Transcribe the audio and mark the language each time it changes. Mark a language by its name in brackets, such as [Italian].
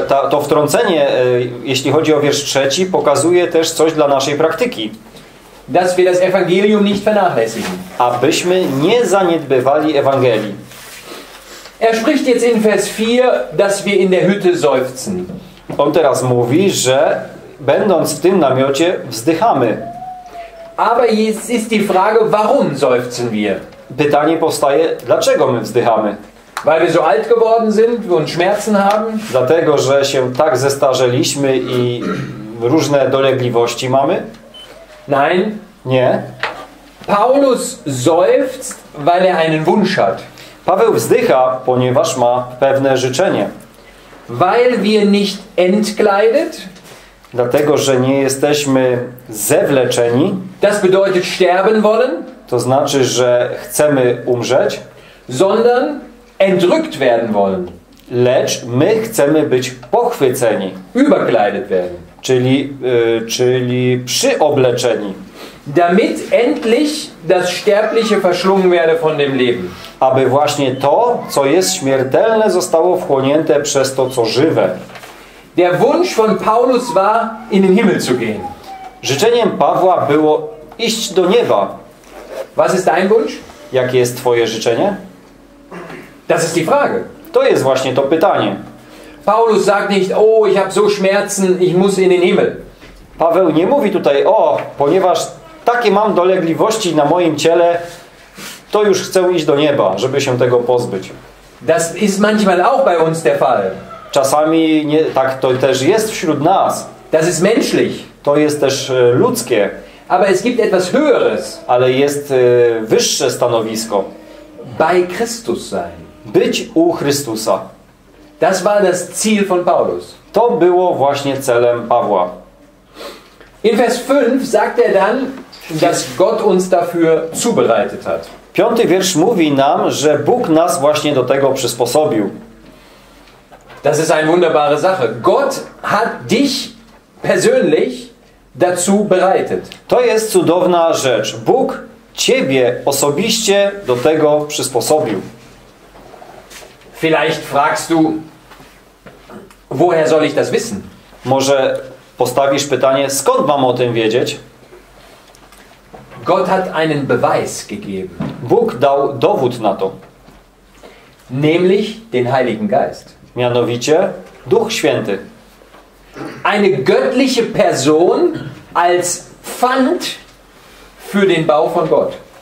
[Polish] To wtrącenie, jeśli chodzi o wiersz trzeci, pokazuje też coś dla naszej praktyki. [German] Dass wir das Evangelium nicht vernachlässigen. [Polish] Abyśmy nie zaniedbywali Ewangelii. [German] Er spricht jetzt in Vers 4, dass wir in der Hütte seufzen. [Polish] On teraz mówi, że będąc w tym namiocie wzdychamy. [German] Aber jetzt ist die Frage, warum seufzen wir? [Polish] Pytanie powstaje, dlaczego my wzdychamy? [German] Weil wir so alt geworden sind und Schmerzen haben? [Polish] Dlatego, że się tak zestarzeliśmy i różne dolegliwości mamy? [German] Nein. [Polish] Nie. [German] Paulus seufzt, weil er einen Wunsch hat. [Polish] Paweł wzdycha, ponieważ ma pewne życzenie. [German] Weil wir nicht entkleidet. [Polish] Dlatego, że nie jesteśmy zewleczeni. [German] Das bedeutet sterben wollen. [Polish] To znaczy, że chcemy umrzeć. [German] Sondern entrückt werden wollen. [Polish] Lecz my chcemy być pochwyceni. [German] Überkleidet werden. [Polish] Czyli przyobleczeni. [German] Damit endlich das Sterbliche verschlungen werde von dem Leben. [Polish] Aby właśnie to, co jest śmiertelne, zostało wchłonięte przez to, co żywe. [German] Der Wunsch von Paulus war, in den Himmel zu gehen. [Polish] Życzeniem Pawła było iść do nieba. [German] Was ist dein Wunsch? [Polish] Jakie jest twoje życzenie? [German] Das ist die Frage. [Polish] To jest właśnie to pytanie. [German] Paulus sagt nicht, oh, ich habe so Schmerzen, ich muss in den Himmel. [Polish] Paweł nie mówi tutaj, o, ponieważ takie mam dolegliwości na moim ciele, to już chcę iść do nieba, żeby się tego pozbyć. [German] Das ist manchmal auch bei uns der Fall. [Polish] Czasami nie, tak to też jest wśród nas. [German] Das ist menschlich. [Polish] To jest też ludzkie. [German] Aber es gibt etwas höheres. [Polish] Ale jest wyższe stanowisko. [German] Bei Christus sein. [Polish] Być u Chrystusa. [German] Das war das Ziel von Paulus. [Polish] To było właśnie celem Pawła. [German] In Vers 5 sagt er dann, dass Gott uns dafür zubereitet hat. [Polish] Piąty wiersz mówi nam, że Bóg nas właśnie do tego przysposobił. [German] Das ist eine wunderbare Sache. Gott hat dich persönlich dazu bereitet. [Polish] To jest cudowna rzecz. Bóg ciebie osobiście do tego przysposobił. [German] Vielleicht fragst du, woher soll ich das wissen? [Polish] Może postawisz pytanie, skąd mam o tym wiedzieć? [German] Gott hat einen Beweis gegeben. [Polish] Bóg dał dowód na to. [German] Nämlich den Heiligen Geist. [Polish] Mianowicie Duch Święty. [German] Eine göttliche Person als Pfand für den Bau von Gott.